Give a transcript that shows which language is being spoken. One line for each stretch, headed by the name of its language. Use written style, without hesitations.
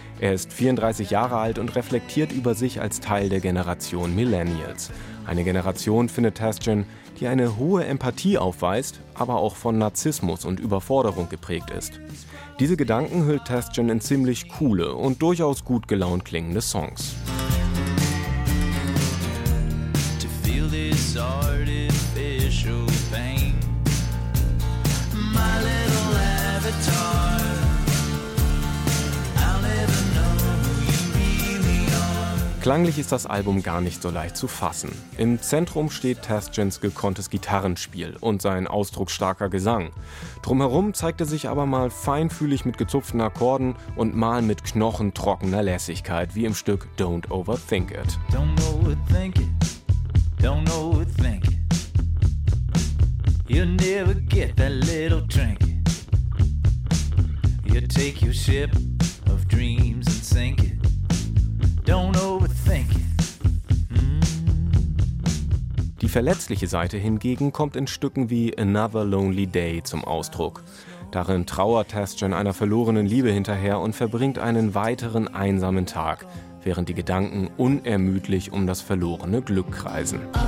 German: Er ist 34 Jahre alt und reflektiert über sich als Teil der Generation Millennials. Eine Generation, findet Tashjian, die eine hohe Empathie aufweist, aber auch von Narzissmus und Überforderung geprägt ist. Diese Gedanken hüllt Tashjian in ziemlich coole und durchaus gut gelaunt klingende Songs.
English: To feel this artificial pain, my little avatar.
German: Klanglich ist das Album gar nicht so leicht zu fassen. Im Zentrum steht Tashjians gekonntes Gitarrenspiel und sein ausdrucksstarker Gesang. Drumherum zeigt er sich aber mal feinfühlig mit gezupften Akkorden und mal mit knochentrockener Lässigkeit, wie im Stück Don't Overthink It.
English: Don't overthink it, don't overthink it. You'll never get that little drink. You take your ship of dreams and sink it. Don't overthink it.
German: Die verletzliche Seite hingegen kommt in Stücken wie Another Lonely Day zum Ausdruck. Darin trauert Tashjian einer verlorenen Liebe hinterher und verbringt einen weiteren einsamen Tag, während die Gedanken unermüdlich um das verlorene Glück kreisen.